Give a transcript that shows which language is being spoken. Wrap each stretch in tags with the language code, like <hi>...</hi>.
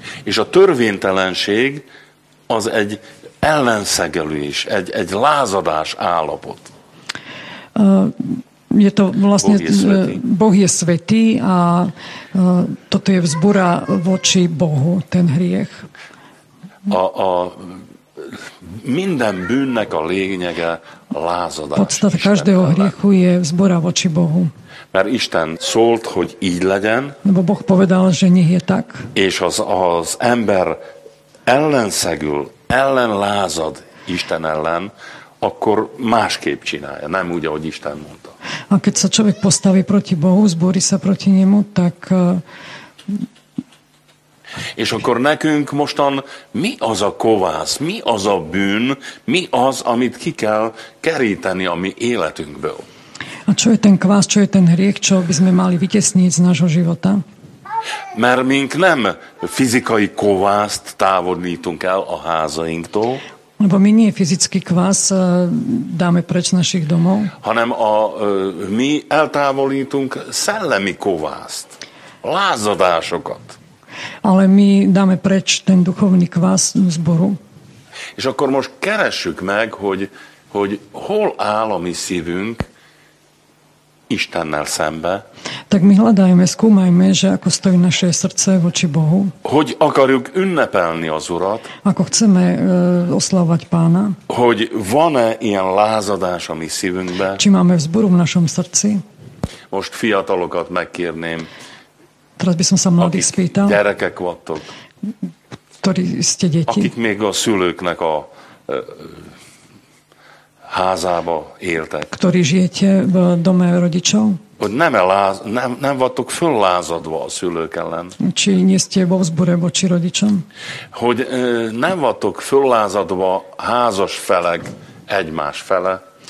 <hu>És a törvénytelenség az egy ellenszegelés, egy lázadás állapot.</hu> <sk>Je to vlastne, Boh je svätý a toto je vzbúra voči Bohu, ten hriech.</sk> <hu>A minden bűnnek a lényege lázadás.</hu> <sk>Podstata každého hriechu je vzbúra voči Bohu.</sk> <hu>Mert Isten szólt, hogy így legyen.</hu> <sk>Lebo Boh povedal, že nech je tak.</sk> <hu>És az ember ellenszegül, ellenlázad Isten ellen, akkor másképp csinálja, nem úgy, ahogy Isten mondta.</hu> <sk>A keď sa človek postaví proti Bohu, zbúri sa proti nemu, tak...</sk> <hu>És akkor nekünk mostan mi az a kovász, mi az a bűn, mi az, amit ki kell keríteni a mi életünkből?</hu> <sk>A čo je ten kvás, čo je ten hriech, čo by sme mali vytesniť z nášho života?</sk> <hu>Mert mink nem fizikai kovászt távolítunk el a házainktól,</hu> <sk>lebo my nie fyzický kvás dáme preč našich domov.</sk> <hu>Hanem my eltávolítunk szellemi kovást, lázadásokat.</hu> <sk>Ale my dáme preč ten duchovný kvás zboru.</sk> <hu>És akkor most keressük meg, hogy hol áll a mi szívünk Istennel szembe.</hu> <sk>Tak my hľadajme, skúmajme, že ako stojí naše srdce voči Bohu.</sk> <hu>Hogy akarjuk ünnepelni az Urat.</hu> <sk>Ako chceme oslavovať Pána.</sk> <hu>Hogy van-e ilyen lázadás a mi szívünkbe.</hu> <sk>Či máme vzburu v našom srdci.</sk> <hu>Most fiatalokat megkérném.</hu> <sk>Teraz by som sa mladých spýtal.</sk> <hu>Akik gyerekek vattok.</hu> <sk>Ktorí ste deti.</sk> <hu>Akik még a szülőknek a... házába éltek.</hu> <sk>Ktorí žijete v dome rodičov?</sk> <hu>Nem vattok föllázadva a szülők ellen.</hu> <sk>Či nie ste vo vzbure voči rodičom?</sk> <hu>Hogy nem vattok föllázadva házas felek egymás fele.</hu>